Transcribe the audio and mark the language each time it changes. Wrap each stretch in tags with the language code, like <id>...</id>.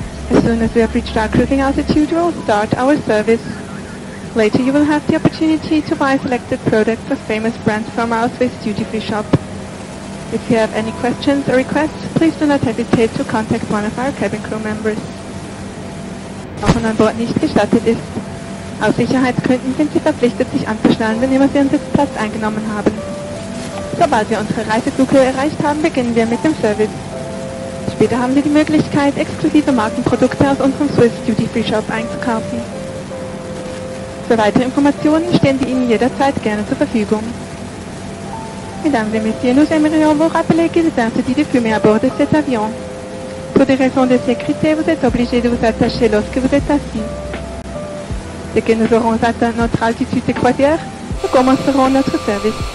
<en>As soon as we have reached our cruising altitude, we will start our service. Later, you will have the opportunity to buy selected products of famous brands from our Swiss duty-free shop. If you have any questions or requests, please do not hesitate to contact one of our cabin crew members.</en> <de>Rauchen an Bord nicht gestattet ist. Aus Sicherheitsgründen sind Sie verpflichtet, sich anzuschnallen, wenn immer Sie Ihren Sitzplatz eingenommen haben. Sobald wir unsere Reiseflughöhe erreicht haben, beginnen wir mit dem Service. Später haben Sie die Möglichkeit, exklusive Markenprodukte aus unserem Swiss Duty Free Shop einzukaufen. Für weitere Informationen stehen wir Ihnen jederzeit gerne zur Verfügung.</de> <fr>Mesdames et Messieurs, nous aimerions vous rappeler qu'il est interdit de fumer à bord de cet avion. Pour des raisons de sécurité, vous êtes obligé de vous attacher lorsque vous êtes assis. Dès que nous aurons atteint notre altitude de croisière, nous commencerons notre service.</fr>